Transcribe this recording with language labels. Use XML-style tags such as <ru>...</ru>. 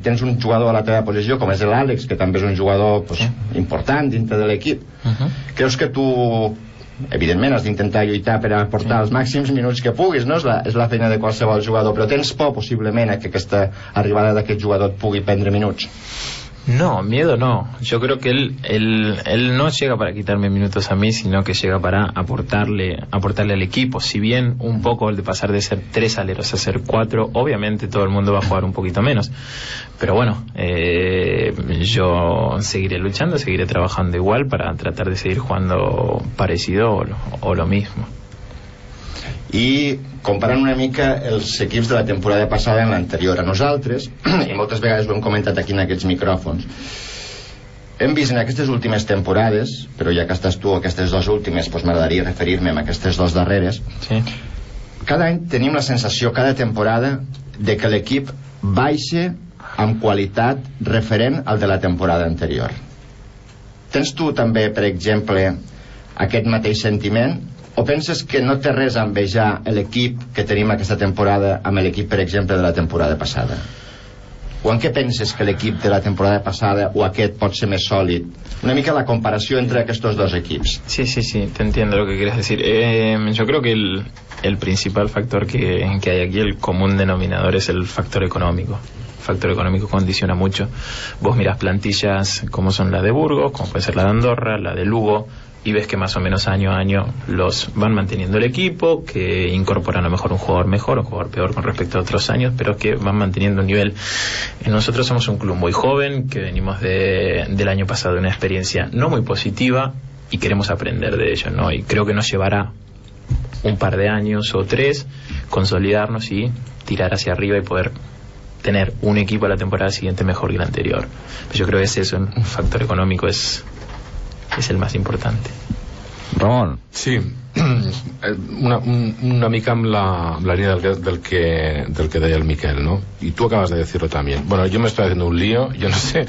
<ca>Tens un jugador a la teva posició com és l'Àlex, que també és un jugador, pues, important dintre de l'equip. Creus que tu, evidentment, has d'intentar lluitar per aportar els màxims minuts que puguis, no? És la feina de qualsevol jugador, però tens por possiblement que aquesta arribada d'aquest jugador et pugui prendre minuts?</ca> <es>No, miedo no. Yo creo que él no llega para quitarme minutos a mí, sino que llega para aportarle al equipo. Si bien un poco el de pasar de ser tres aleros a ser cuatro, obviamente todo el mundo va a jugar un poquito menos. Pero bueno, yo seguiré luchando, seguiré trabajando igual para tratar de seguir jugando parecido o lo mismo.</es> <ca>I comparant una mica els equips de la temporada passada amb l'anterior a nosaltres, i moltes vegades ho hem comentat aquí en aquests micròfons, hem vist en aquestes últimes temporades, però ja que estàs tu aquestes dues últimes, doncs m'agradaria referir-me a aquestes dues darreres. Sí. Cada any tenim la sensació, cada temporada, de que l'equip baixa amb qualitat referent al de la temporada anterior. Tens tu també, per exemple, aquest mateix sentiment? O penses que no té res a envejar l'equip que tenim aquesta temporada amb l'equip, per exemple, de la temporada passada? O en què penses que l'equip de la temporada passada o aquest pot ser més sòlid? Una mica la comparació entre aquests dos equips.</ca> <es>Sí, sí, sí, te entiendo lo que quieres decir. Yo creo que el principal factor que hay aquí, el común denominador, es el factor económico. Factor económico condiciona mucho. Vos miras plantillas como son la de Burgos, como puede ser la de Andorra, la de Lugo, y ves que más o menos año a año los van manteniendo el equipo, que incorporan a lo mejor, un jugador peor con respecto a otros años, pero que van manteniendo un nivel. Nosotros somos un club muy joven, que venimos del año pasado de una experiencia no muy positiva, y queremos aprender de ello, ¿no? Y creo que nos llevará un par de años o tres consolidarnos y tirar hacia arriba y poder tener un equipo a la temporada siguiente mejor que el anterior. Yo creo que es eso, un factor económico es el más importante. Ramon.</es> <ca>Sí, una mica amb la línia del que deia el Miquel, ¿no?</ca> <es>Y tú acabas de decirlo también. Bueno, yo me estoy haciendo un lío, yo no sé.</es>